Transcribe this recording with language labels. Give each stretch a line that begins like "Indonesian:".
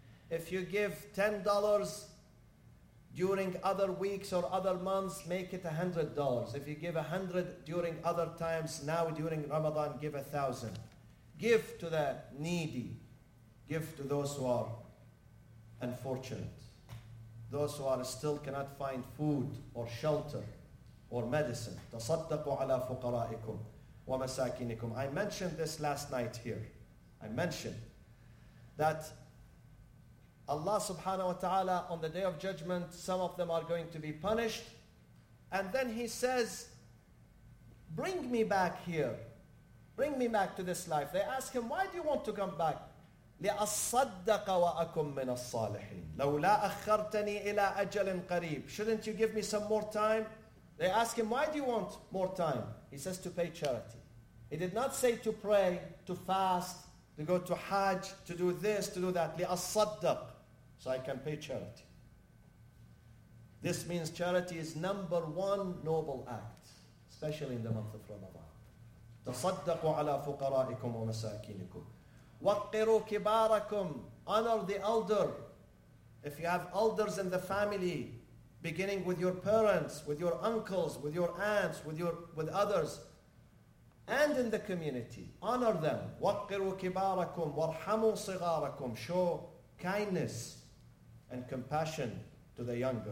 English: If you give $10 during other weeks or other months, make it $100. If you give $100 during other times, now during Ramadan, give $1,000. Give to the needy. Give to those who are unfortunate. Those who are still cannot find food or shelter. Or medicine.
Arabic: تصدقوا على فقرائكم ومساكينكم.
English: I mentioned this last night here. I mentioned that Allah subhanahu wa ta'ala on the day of judgment, some of them are going to be punished. And then He says, bring me back here. Bring me back to this life. They ask Him, why do you want to come back?
Arabic: لأصدق وأكم من الصالحين. لولا أخرتني إلى أجل قريب.
English: Shouldn't you give me some more time? They ask Him, why do you want more time? He says, to pay charity. He did not say to pray, to fast, to go to Hajj, to do this, to do that. لأصدق, so I can pay charity. This means charity is number one noble act, especially in the month of Ramadan. تصدقوا على فقرائكم ومساكينكم.
Arabic: وقروا كباركم.
English: Honor the elder. If you have elders in the family, beginning with your parents, with your uncles, with your aunts, with others. and in the community. Honor them.
Arabic: وَقِّرُوا كِبَارَكُمْ وَارْحَمُوا صِغَارَكُمْ.
English: Show kindness and compassion to the younger.